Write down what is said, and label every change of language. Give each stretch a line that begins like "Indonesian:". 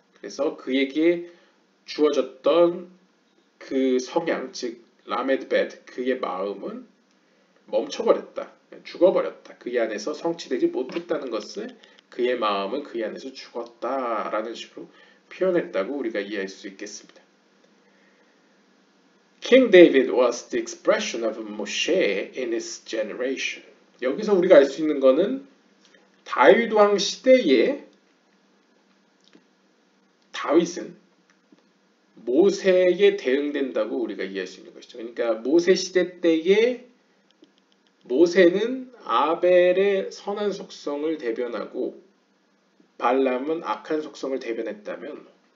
Korean: 그래서 그에게 주어졌던 그 성향, 즉 라메드 베트, 그의 마음은 멈춰버렸다. 죽어버렸다. 그의 안에서 성취되지 못했다는 것을 그의 마음은 그의 안에서 죽었다. 라는 식으로 표현했다고 우리가 이해할 수 있겠습니다.
English: King David was the expression of Moshe in his generation.
Korean: 여기서 우리가 알 수 있는 것은 다윗 왕 시대에 다윗은 모세에 대응된다고 우리가 이해할 수 있는 것이죠. 그러니까 모세 시대 때에 모세는 아벨의 선한 속성을 대변하고 발람은 악한 속성을 대변했다면